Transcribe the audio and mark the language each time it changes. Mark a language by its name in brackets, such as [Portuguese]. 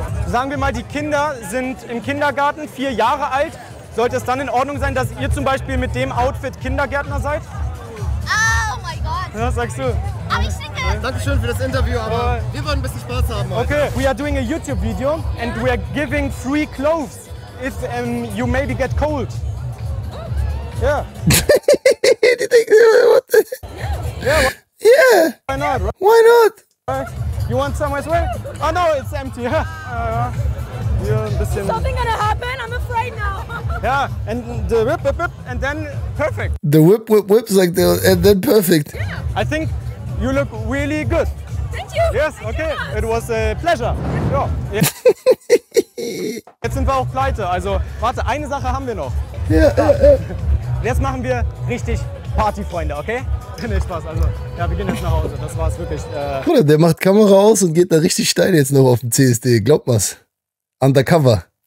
[German] so. Sagen wir mal, die Kinder sind im Kindergarten 4 Jahre alt. Sollte es dann in Ordnung sein, dass ihr zum Beispiel mit dem Outfit Kindergärtner seid? Oh mein Gott! Was sagst du? Aber ich denke... Dankeschön für das Interview, aber wir wollen ein bisschen Spaß haben. Heute. [English] Okay, we are doing a YouTube video and we are giving free clothes if you maybe get cold. Yeah. [German] Die denken, [English] what? Yeah. What? Yeah. Why not? Right? Why not? You want some as well? Oh no, it's empty. Something gonna happen, I'm afraid now. Yeah, and the whip, and then perfect. The whip, like the, and then perfect. Yeah. I think you look really good. Thank you. Yes, okay, it was a pleasure. [German] Ja. Jetzt sind wir auch pleite, also warte, eine Sache haben wir noch. Ja. Jetzt machen wir richtig Party, Freunde, okay? Nee, Spaß, also, ja, wir gehen jetzt nach Hause, das war's wirklich. Bruder, der macht Kamera aus und geht da richtig steil jetzt noch auf dem CSD, glaubt mal's. Undercover.